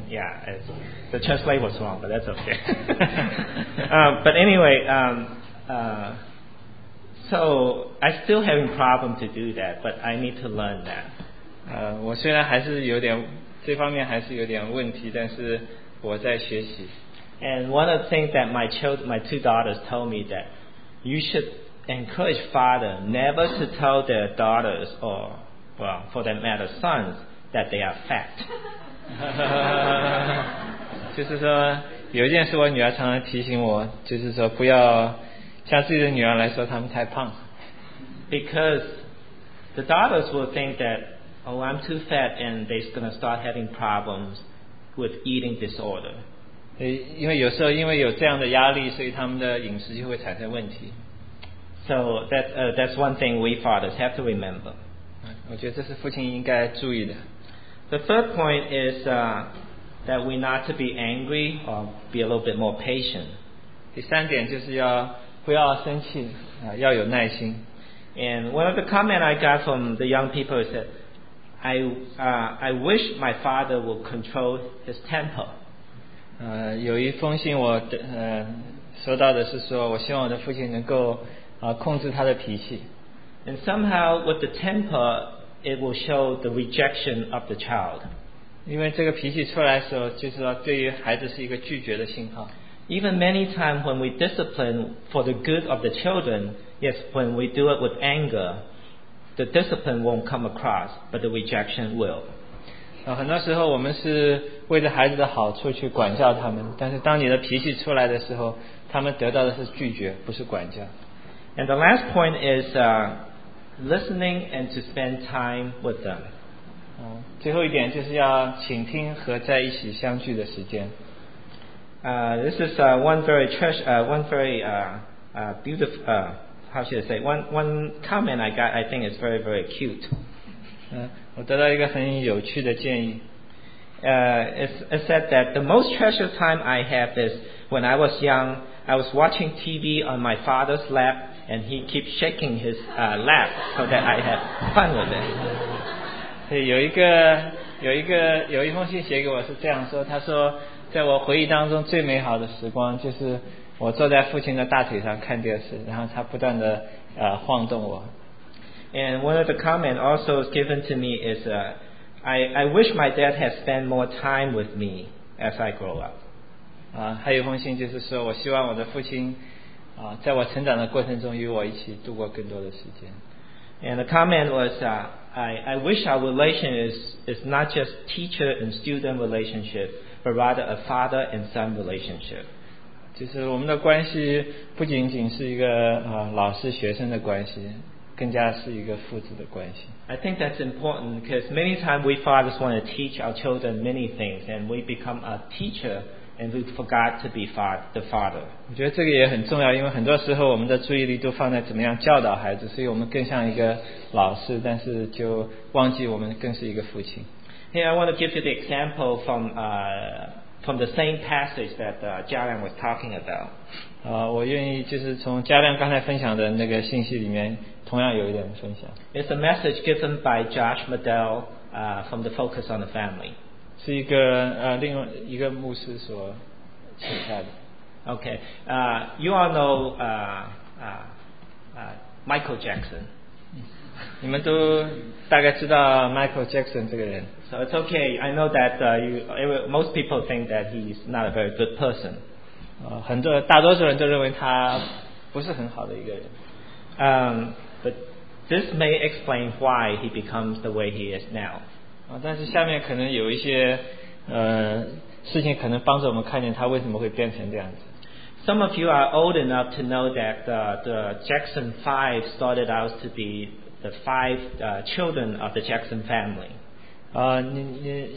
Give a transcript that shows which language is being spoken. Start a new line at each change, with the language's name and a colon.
English: Yeah, it's, the translation was wrong, but that's okay. but anyway, So I still having problem to do that, but I need to learn that.
Chinese: 我虽然还是有点这方面还是有点问题，但是我在学习。
English: And one of the things that my two daughters told me that you should encourage father never to tell their daughters or well for that matter sons that they are fat.
Chinese: 就是说有一件事我女儿常常提醒我，就是说不要。像自己的女儿来说，她们太胖。
English: Because the daughters will think that, oh, I'm too fat, and they're going to start having problems with eating disorder.
Chinese: 因为有时候因为有这样的压力，所以他们的饮食就会产生问题。
English: So that's one thing we fathers have to remember.
Chinese: 我觉得这是父亲应该注意的。
English: The third point is that we not to be angry or be a little bit more patient.
Chinese: 第三点就是要不要生气，要有耐心。
English: And one of the comments I got from the young people is that I wish my father would control his temper.
Chinese: 有一封信我收到的是说，我希望我的父亲能够控制他的脾气。
English: And somehow with the temper, it will show the rejection of the child.
Chinese: 因为这个脾气出来的时候，就是说对于孩子是一个拒绝的信号。
English: Even many times when we discipline for the good of the children, yes, when we do it with anger, the discipline won't come across, but the rejection will.
Chinese: 很多时候我们是为着孩子的好处去管教他们，但是当你的脾气出来的时候，他们得到的是拒绝，不是管教。
English: And the last point is listening and to spend time with them.
Chinese: 最后一点就是要倾听和在一起相聚的时间。
English: This is one comment I got. I think is very very cute.
Chinese: 我得到一个很有趣的建议。
English: It said that the most treasured time I have is when I was young. I was watching TV on my father's lap, and he keeps shaking his lap so that I had fun with it.
Chinese: 有一封信写给我是这样说，他说。在我回忆当中最美好的时光就是我坐在父亲的大腿上看电视，然后他不断的晃动我。
English: And one of the comments also given to me is I wish my dad had spent more time with me as I grow up.
Chinese: 还有一封信就是说我希望我的父亲在我成长的过程中与我一起度过更多的时间。
English: And the comment was I wish our relationship is not just teacher and student relationship, but rather a father and son relationship.
Chinese: 就是我们的关系不仅仅是一个老师学生的关系，更加是一个父子的关系。
English: I think that's important because many times we fathers want to teach our children many things, and we become a teacher and we forgot to be the father.
Chinese: 我觉得这个也很重要，因为很多时候我们的注意力都放在怎么样教导孩子，所以我们更像一个老师，但是就忘记我们更是一个父亲。
English: Here I want to give you the example from the same passage that Jia Liang was talking about.
Chinese: 我愿意就是从Jia Liang刚才分享的那个信息里面。同样有一点分享。
English: It's a message given by Josh Medell from the Focus on the Family.
Chinese: 是一个另外一个牧师所写下的。
English: Okay, you all know Michael Jackson.
Chinese: 你们都大概知道 Michael Jackson 这个人。
English: So it's okay. I know that most people think that he's not a very good person.
Chinese: 大多数人都认为他不是很好的一个人。
English: But this may explain why he becomes the way he is now.
Chinese: 但是下面可能有一些事情可能帮助我们看见他为什么会变成这样子。
English: Some of you are old enough to know that the Jackson 5 started out to be the five children of the Jackson family.